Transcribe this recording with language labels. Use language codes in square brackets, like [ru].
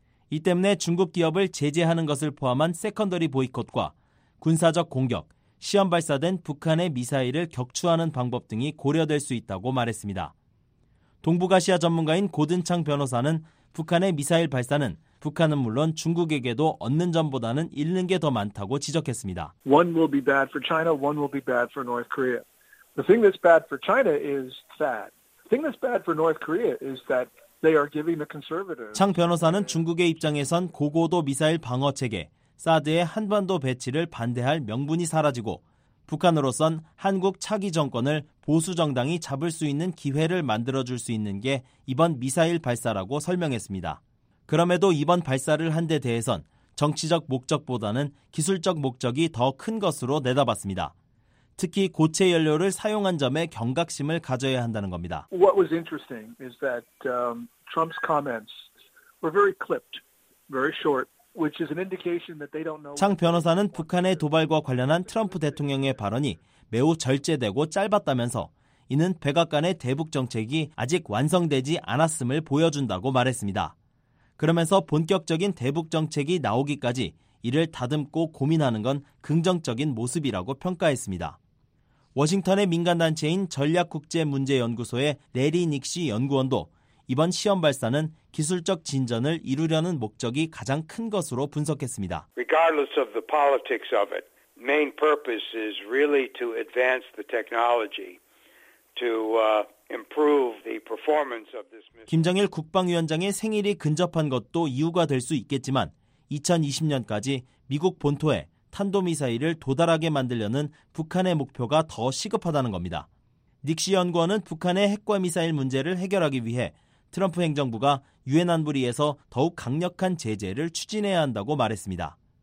[ko] 이 때문에 중국 기업을 제재하는 것을 포함한 세컨더리 보이콧과 군사적 공격, 시험 발사된 북한의 미사일을 격추하는 방법 등이 고려될 수 있다고 말했습니다. 동북아시아 전문가인 고든창 변호사는 북한의 미사일 발사는 북한은 물론 중국에게도 얻는 점보다는 잃는 게 더 많다고 지적했습니다. [en] One will be bad for China, one will be bad for North Korea. The thing that's bad for China is that. The thing that's bad for North Korea is that they are giving the conservatives. [ko] 창 변호사는 중국의 입장에선 고고도 미사일 방어 체계, 사드의 한반도 배치를 반대할 명분이 사라지고 북한으로선 한국 차기 정권을 보수 정당이 잡을 수 있는 기회를 만들어 줄 수 있는 게 이번 미사일 발사라고 설명했습니다. 그럼에도 이번 발사를 한 데 대해선 정치적 목적보다는 기술적 목적이 더 큰 것으로 내다봤습니다. 특히 고체 연료를 사용한 점에 경각심을 가져야 한다는 겁니다. [en] What was interesting is that Trump's comments were very clipped, very short, which is an indication that they don't know. [ko] 창 변호사는 북한의 도발과 관련한 트럼프 대통령의 발언이 매우 절제되고 짧았다면서 이는 백악관의 대북 정책이 아직 완성되지 않았음을 보여준다고 말했습니다. 그러면서 본격적인 대북 정책이 나오기까지 이를 다듬고 고민하는 건 긍정적인 모습이라고 평가했습니다. 워싱턴의 민간단체인 전략국제문제연구소의 레리 닉시 연구원도 이번 시험 발사는 기술적 진전을 이루려는 목적이 가장 큰 것으로 분석했습니다. [en] Regardless of the politics of it, main purpose is really to advance the technology to improve the performance of this missile. [ko] 김정일 국방위원장의 생일이 근접한 것도 이유가 될 수 있겠지만 2020년까지 미국 본토에 탄도미사일을 도달하게 만들려는 북한의 목표가 더 시급하다는 겁니다. 닉시 연구원은 북한의 핵과 미사일 문제를 해결하기 위해 트럼프 행정부가 유엔 안보리에서 더욱 강력한 제재를 추진해야 한다고 말했습니다.